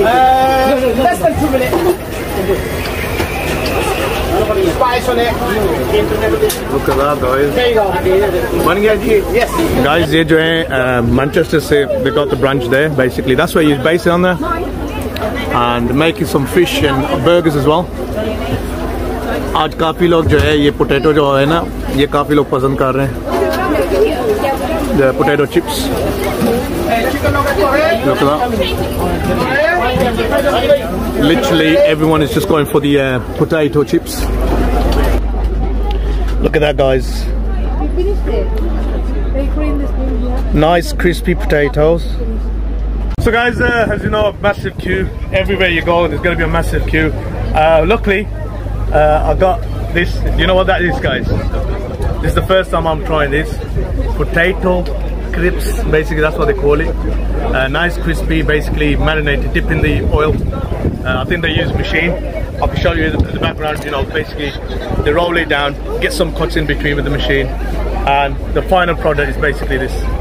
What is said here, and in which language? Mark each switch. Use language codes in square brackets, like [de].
[en] Less than 2 minutes. Spice on it. Look at that, guys. There you go. Morning, yes. Guys, here in Manchester, they got the branch there, basically. That's where you're based on there. And making some fish and burgers as well. [hi] आज काफी लोग जो है ये potato जो है ना ये काफी लोग पसंद कर रहे हैं potato chips [en] Look at that literally everyone is just going for the potato chips look at that guys nice crispy potatoes so guys as you know massive queue everywhere you go there is gonna be a massive queue luckily I got this. You know what that is, guys? This is the first time I'm trying this. Potato crisps, basically, that's what they call it. Nice, crispy, basically marinated, dip in the oil. I think they use a machine. I can show you the background, you know, basically they roll it down, get some cuts in between with the machine, and the final product is basically this.